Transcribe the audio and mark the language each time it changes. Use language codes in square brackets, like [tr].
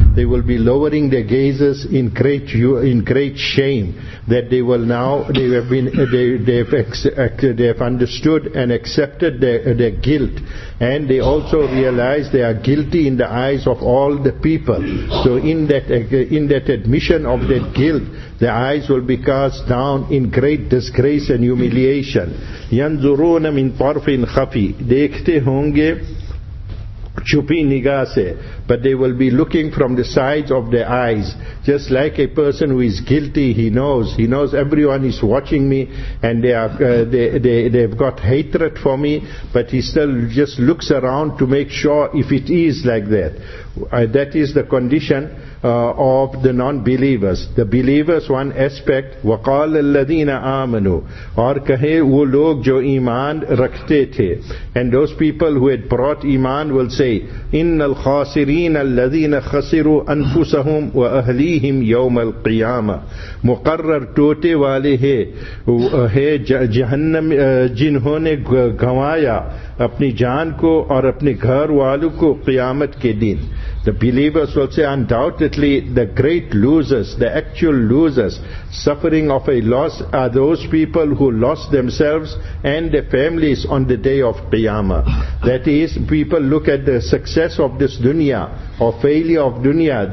[en] They will be lowering their gazes in great shame, that they will now, they have understood and accepted their guilt, and they also realize they are guilty in the eyes of all the people. So in that admission of that guilt, the eyes will be cast down in great disgrace and humiliation. [ar] يَنْزُرُونَ مِنْ طَرْفٍ خَفِي. [ur] دیکھتے ہوں گے چھپی نگاہ سے. [en] But they will be looking from the sides of their eyes, just like a person who is guilty. He knows everyone is watching me, and they've got hatred for me, but he still just looks around to make sure if it is like that. That is the condition of the non-believers. The believers, one aspect, [ar] وَقَالَ الَّذِينَ آمَنُوا. [ur] اور کہے وہ لوگ جو ایمان رکھتے تھے. [en] And those people who had brought iman will say, [ar] إِنَّ الْخَاسِرِينَ الَّذِينَ خَسِرُوا أَنفُسَهُمْ وَأَهْلِيهِمْ يَوْمَ الْقِيَامَةِ. [ur] مقرر ٹوٹے والے ہے جہنم جنہوں نے گوایا اپنی جان کو اور اپنے گھر والوں کو قیامت کے دن. [en] The believers will say, undoubtedly, the great losers, the actual losers, suffering of a loss, are those people who lost themselves and their families on the day of Qiyamah. That is, people look at the success of this dunya, or failure of dunya.